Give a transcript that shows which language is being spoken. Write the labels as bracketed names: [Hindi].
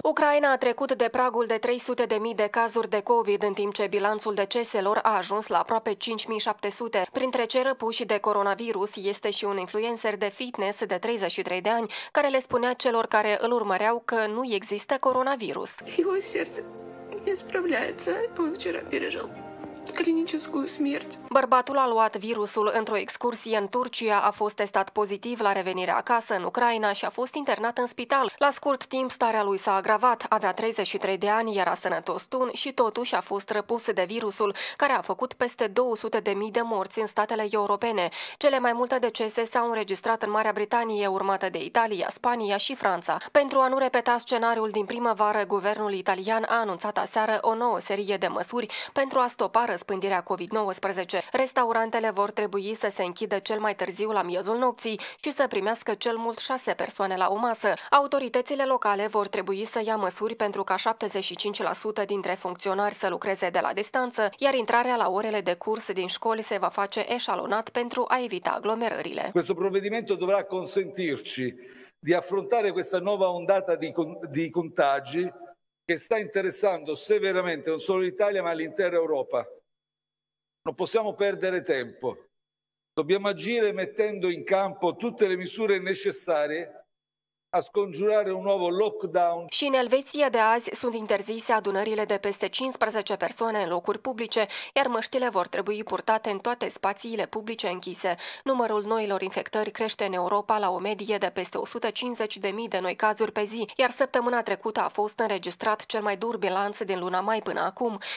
[Romanian] Украина a trecut de pragul de 300.000 de cazuri de COVID, în timp ce bilanțul deceselor a ajuns la aproape 5.700. Printre cei răpuși de coronavirus este și un influencer de fitness de 33 de ani, care le spunea celor care îl urmăreau că nu există coronavirus. [Russian] Его сердце не справляется. Он вчера пережил клиническую смерть. [Romanian] Bărbatul a luat virusul într-o excursie în Turcia, a fost testat pozitiv la revenirea acasă în Ucraina și a fost internat în spital. La scurt timp, starea lui s-a agravat. Avea 33 de ani, era sănătos tun și totuși a fost răpus de virusul, care a făcut peste 200.000 de morți în statele europene. Cele mai multe decese s-au înregistrat în Marea Britanie, urmată de Italia, Spania și Franța. Pentru a nu repeta scenariul din primăvară, guvernul italian a anunțat aseară o nouă serie de măsuri pentru a stopa răspândirea COVID-19. Restaurantele vor trebui să se închidă cel mai târziu la miezul nopții și să primească cel mult 6 persoane la o masă. Autoritățile locale vor trebui să ia măsuri pentru ca 75% dintre funcționari să lucreze de la distanță, iar intrarea la orele de curs din școli se va face eșalonat pentru a evita aglomerările. [Italian] Questo provvedimento dovrà consentirci di affrontare questa nuova ondata di contagi che sta interessando severamente non solo l'Italia ma l'intera Europa. Non possiamo perdere tempo. Dobbiamo agire mettendo in campo tutte le misure necessarie a scongiurare un nuovo lockdown. [Romanian] Și în Elveția de azi sunt interzise adunările de peste 15 persoane în locuri publice, iar măștile vor trebui purtate în toate spațiile publice închise. Numărul noilor infectări crește în Europa la o medie de peste 150.000 de noi cazuri pe zi, iar săptămâna trecută a fost înregistrat cel mai dur bilanț din luna mai până acum.